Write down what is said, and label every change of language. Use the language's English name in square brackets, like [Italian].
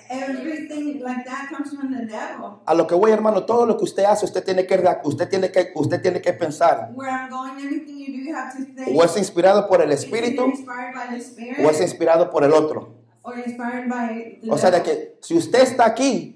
[English] Everything like that comes from the devil. [Spanish] A lo que voy, hermano, todo lo que usted hace, usted tiene que pensar. [English] Where I'm going, everything you do, you have to think. [Spanish] O es inspirado por el Espíritu. [English] Inspired by the Spirit, [Spanish] o es inspirado por el otro. [English] Or inspired by the [Spanish] o sea, de que si usted está aquí,